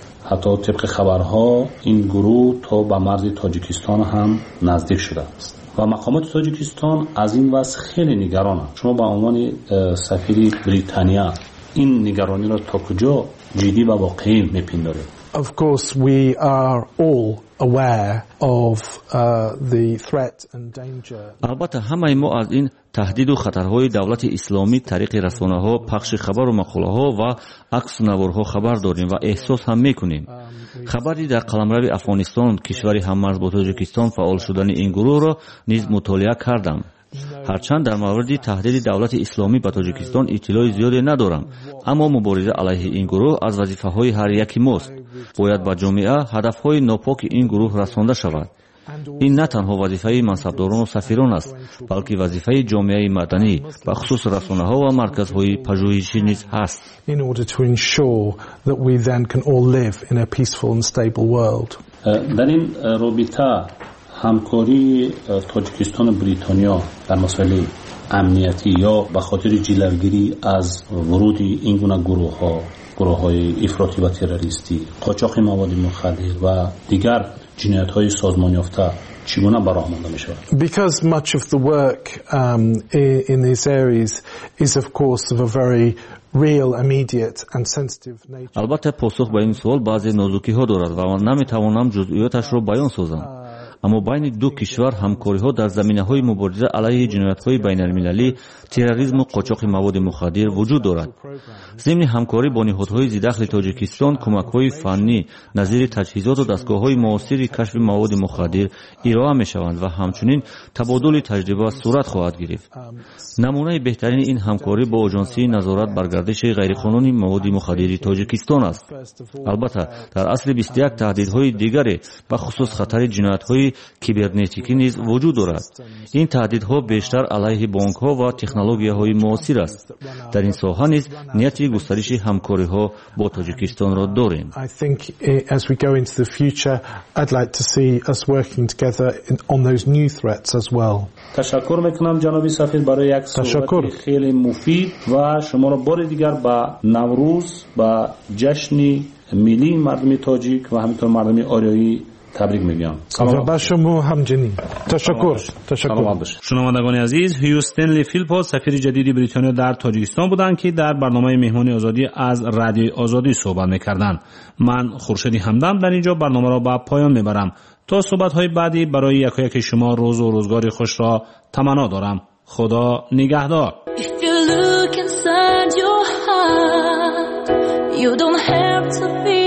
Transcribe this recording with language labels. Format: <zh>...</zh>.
<fa>حتی طبق خبرها این گروه تا به مرز تاجیکستان هم نزدیک شده است و مقامات تاجیکستان از این وضع خیلی نگران هست. شما به عنوان سفیر بریتانیا این نگرانی را تا کجا جدی و واقعی می پندارید؟</fa> <en>Of course we are all aware of the threat and danger.</en> <fa>البته همه ما از این تهدید و خطرهای دولت اسلامی طریق رسانه‌ها، پخش خبر و مقاله‌ها و عکس نوارها خبر داریم و احساس هم می‌کنیم. خبری در قلمرو افغانستان کشوری هممرز با تاجیکستان فعال شدن این گروه را نیز مطالعه کردم. هرچند در مورد تهدید دولت اسلامی به تاجیکستان اطلاع زیاده ندارم، اما مبارزه علیه این گروه از وظیفه های هر یکی ماست. باید با جامعه هدف های ناپاک این گروه رسانده شود. این نه تنها وظیفه منصبداران و سفیران است، بلکه وظیفه جامعه مدنی و خصوص رسانه ها و مرکز های پژوهشی نیز هست.</fa> <en>In order to ensure that we then can all live in a peaceful and stable world.</en> <fa>در این رابطه همکاری تاجیکستان و بریتانیا در مسائل امنیتی یا به خاطر جلوگیری از ورود این گونه گروه‌های افراطی و تروریستی، قاچاق مواد مخدر و دیگر جنایت‌های سازمان‌یافته چگونه براه مانده می‌شود؟</fa> <en>Because much of the work in these areas is of course of a very real immediate and sensitive nature.</en> <fa>البته پاسخ به این سوال بعضی نازکی‌ها دارد و من نمی‌توانم جزئیاتش را بیان سازم. اما بین دو کشور همکاری ها در زمینه های مبارزه علیه جنایت های بین المللی، تروریسم و قاچاق مواد مخدر وجود دارد. ضمن همکاری با نهادهای ضدخل تاجیکستان کمک های فنی نظیر تجهیزات و دستگاه های معاصر کشف مواد مخدر ارائه می شوند و همچنین تبادل تجربه صورت خواهد گرفت. نمونه بهترین این همکاری با آژانس نظارت بر گردش غیرقانونی مواد مخدر تاجیکستان است. البته در اصل 21 تهدیدهای دیگر به خصوص خطر جنایت کیبرنتیکی نیز وجود دارد. این تهدیدها بیشتر علیه بانک ها و تکنولوژی های معاصر است. در این ساحه نیز نیت گسترش همکاری ها با تاجیکستان را داریم.</fa> <en>I think as we go into the future I'd like to see us working together on those new threats as well.</en> <fa>تشکر میکنم جناب سفیر برای یک صحبت خیلی مفید و شما را بار دیگر با نوروز با جشن ملی مردم تاجیک و همینطور مردم آریایی تبریک میگم. سلام به شما همجنین. تشکر. شنوندگان عزیز، هیو استنلی فیلپس سفیر جدید بریتانیا در تاجیکستان بودند که در برنامه مهمانی آزادی از رادیو آزادی صحبت میکردند. من خورشید همدم در اینجا برنامه را به پایان میبرم. تا صحبت های بعدی برای یک یک شما روز و روزگار خوش را تمنا دارم. خدا نگهدار.</fa> <en>If you look inside your heart, you don't have to...</en>